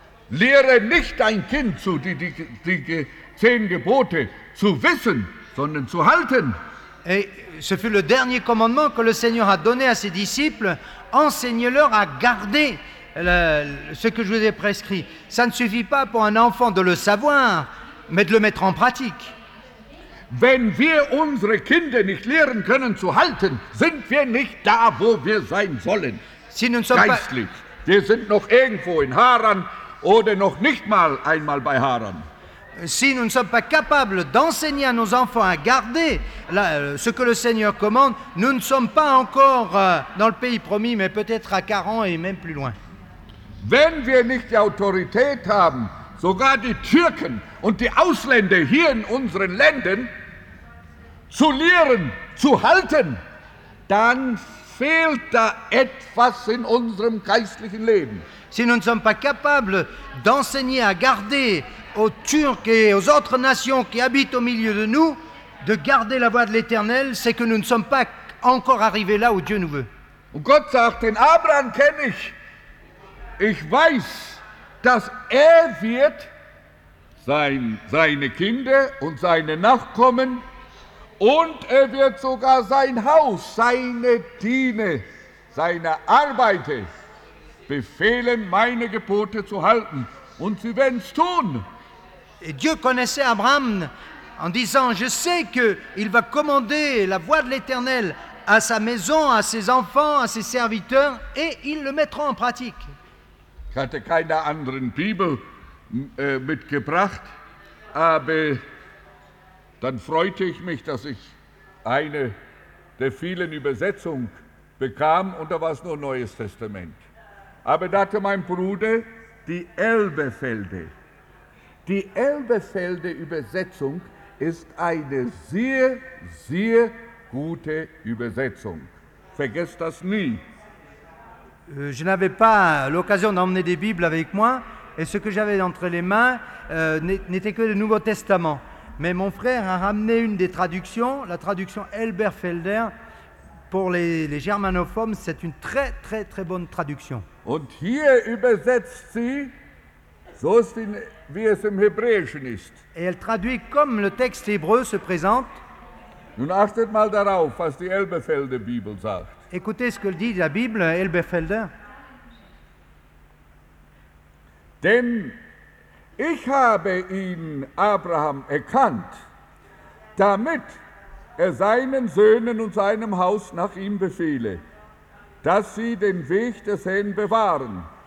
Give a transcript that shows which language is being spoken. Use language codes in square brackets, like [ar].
[de] Lehre nicht dein Kind zu die 10 Gebote zu wissen, sondern zu halten. [fr] Et ce fut le dernier commandement que le Seigneur a donné à ses disciples. Enseigne-leur à garder ce que je vous ai prescrit. Ça ne suffit pas pour un enfant de le savoir, mais de le mettre en pratique. [de] Wenn wir unsere Kinder nicht lehren können zu halten, sind wir nicht da, wo wir sein sollen. Geistlich. Wir sind noch irgendwo in Haran oder noch nicht mal einmal bei Haran. [fr] Si nous ne sommes pas capables d'enseigner à nos enfants à garder ce que le Seigneur commande, nous ne sommes pas encore dans le pays promis, mais peut-être à 40 et même plus loin. [de] Wenn wir nicht die Autorität haben, sogar die Türken und die Ausländer hier in unseren Ländern zu lehren, zu halten, dann fehlt da etwas in unserem geistlichen Leben. [fr] Si nous ne sommes pas capables d'enseigner à garder aux Turcs et aux autres nations qui habitent au milieu de nous, de garder la voie de l'Éternel, c'est que nous ne sommes pas encore arrivés là où Dieu nous veut. [de] Und Gott sagt, den Abraham kenne ich. Ich weiß, dass wird seine Kinder und seine Nachkommen und wird sogar sein Haus, seine Diener, seine Arbeiter befehlen, meine Gebote zu halten. Und sie werden es tun. [fr] Et Dieu connaissait Abraham en disant: je sais qu'il va commander la voie de l'Éternel à sa maison, à ses enfants, à ses serviteurs, et ils le mettront en pratique. [de] Ich hatte keine anderen Bibel mitgebracht, aber dann freute ich mich, dass ich eine der vielen Übersetzungen bekam, und da war es nur Neues Testament. Aber da hatte mein Bruder die Elbefelde. Die Elbefelde-Übersetzung ist eine sehr, sehr gute Übersetzung. Vergesst das nie. [fr] Je n'avais pas l'occasion d'emmener des Bibles avec moi, et ce que j'avais entre les mains n'était que le Nouveau Testament. Mais mon frère a ramené une des traductions, la traduction Elberfelder. Pour les germanophones, c'est une très, très, très bonne traduction. [de] Und hier übersetzt sie, so ist in, wie es im Hebräischen ist. [fr] Et elle traduit comme le texte hébreu se présente. [de] Nun achtet mal darauf, was die Elbefelder Bibel sagt. [fr] Écoutez ce que dit la Bible, Elberfelder. [de] Denn ich habe ihn, Abraham, erkannt, damit seinen Söhnen und seinem Haus nach ihm befehle, dass sie den Weg des Herrn bewahren.